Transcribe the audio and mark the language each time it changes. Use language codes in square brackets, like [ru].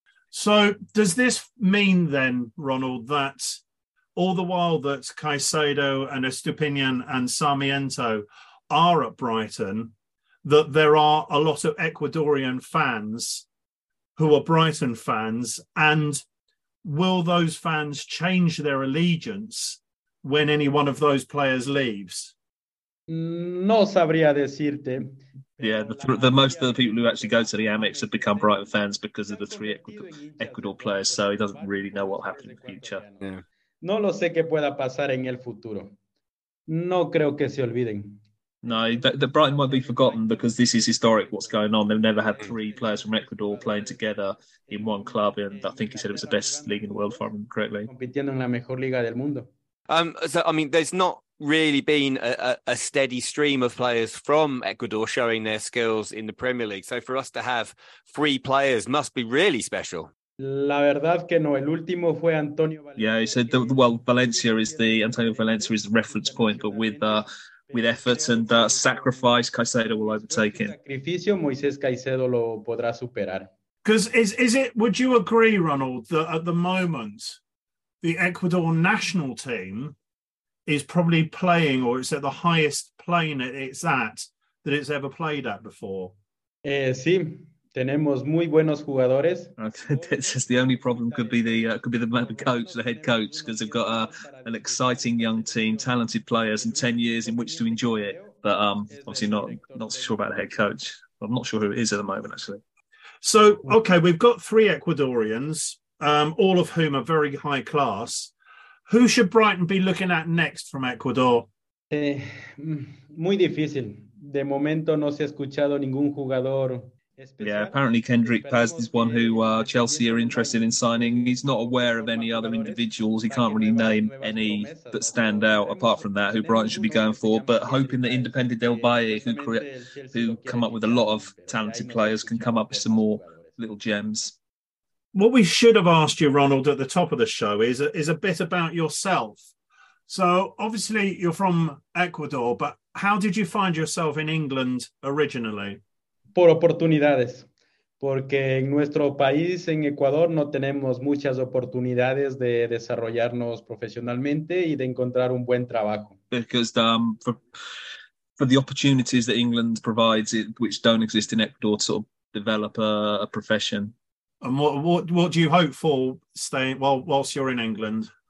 [en] So does this mean then, Ronald, that all the while that Caicedo and Estupiñán and Sarmiento are at Brighton, that there are a lot of Ecuadorian fans who are Brighton fans, and will those fans change their allegiance when any one of those players leaves? [es] No sabría decirte. [en] Yeah, the most of the people who actually go to the Amex have become Brighton fans because of the three Ecuador players, so he doesn't really know what will happen in the future. Yeah. [es] No lo sé qué pueda pasar en el futuro. No creo que se olviden. [en] No, the Brighton won't be forgotten because this is historic, what's going on. They've never had three players from Ecuador playing together in one club, and I think he said it was the best league in the world for them, correctly. [es] Compitiendo en la mejor liga del mundo. [en] There's not really been a steady stream of players from Ecuador showing their skills in the Premier League. So for us to have three players must be really special. [es] La verdad que no, el último fue Antonio Valencia. [en] Yeah, he said, Antonio Valencia is the reference point, but with effort and sacrifice, Caicedo will overtake him. [es] Sacrificio, Moisés Caicedo lo podrá superar. [en] Because would you agree, Ronald, that at the moment the Ecuador national team is probably playing, or it's at the highest plane it's at that it's ever played at before? [es] Sí, tenemos muy buenos jugadores. [en] That's just the only problem could be the head coach, because they've got an exciting young team, talented players, and 10 years in which to enjoy it. But obviously not so sure about the head coach. I'm not sure who it is at the moment, actually. So, okay, we've got three Ecuadorians, all of whom are very high class. Who should Brighton be looking at next from Ecuador? [es] Muy difícil. De momento no se ha escuchado ningún jugador. [en] Yeah, apparently Kendrick Paz is one who Chelsea are interested in signing. He's not aware of any other individuals. He can't really name any that stand out apart from that who Brighton should be going for. But hoping that Independiente del Valle, who come up with a lot of talented players, can come up with some more little gems. What we should have asked you, Ronald, at the top of the show is a bit about yourself. So obviously you're from Ecuador, but how did you find yourself in England originally? [es] Por oportunidades, porque en nuestro país, en Ecuador, no tenemos muchas oportunidades de desarrollarnos profesionalmente y de encontrar un buen trabajo. [en] Because for the opportunities that England provides, which don't exist in Ecuador, to sort of develop a profession. And what do you hope for staying whilst you're in England?